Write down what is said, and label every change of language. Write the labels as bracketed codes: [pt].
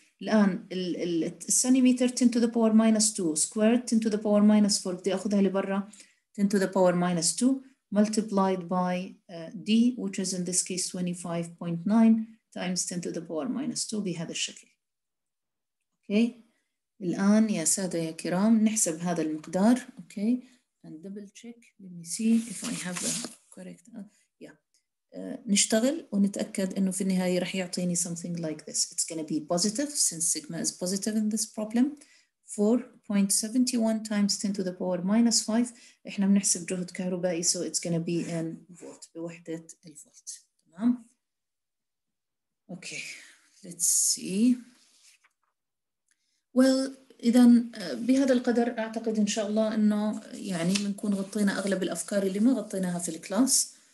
[en] الآن ال centimeter 10 to the power minus 2 squared 10 to the power minus 4 [ar] بدي أخذها لبرا, [en] 10 to the power minus 2 multiplied by D which is in this case 25.9 times 10 to the power minus 2 [ar] بهذا الشكل. [en] Okay, [ar] الآن يا سادة يا كرام نحسب هذا المقدار. [en] Okay, and double check, let me see if I have the correct. [ar] نشتغل ونتأكد إنه في النهاية رح يعطيني something like this. [en] It's gonna be positive since sigma is positive in this problem. 4.71 times 10 to the power minus 5. [ar] إحنا بنحسب جهد كهربائي, [en] so it's gonna be in volt, [ar] بوحدة الفولت. تمام؟ [en] Okay, let's see. [ar] Well, إذن بهذا القدر أعتقد إن شاء الله إنه يعني بنكون غطينا أغلب الأفكار اللي ما غطيناها في الكلاس.